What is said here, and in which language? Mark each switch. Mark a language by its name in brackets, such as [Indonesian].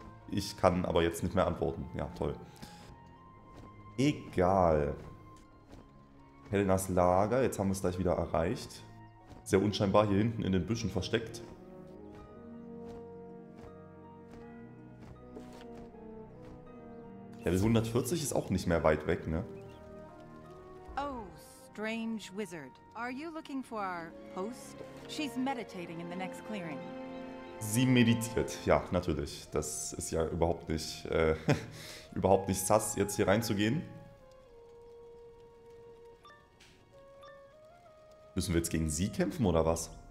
[German] Ich kann aber jetzt nicht mehr antworten. Ja, toll. Egal. Helenas Lager, jetzt haben wir es gleich wieder erreicht. Sehr unscheinbar hier hinten in den Büschen versteckt. Level 140 ist auch nicht mehr weit weg, ne? [English] Oh, strange wizard. Are you looking for our host? She's meditating in the next clearing. [German] Sie meditiert, ja, natürlich. Das ist ja überhaupt nicht, überhaupt nicht sass, jetzt hier reinzugehen. Müssen wir jetzt gegen sie kämpfen, oder was?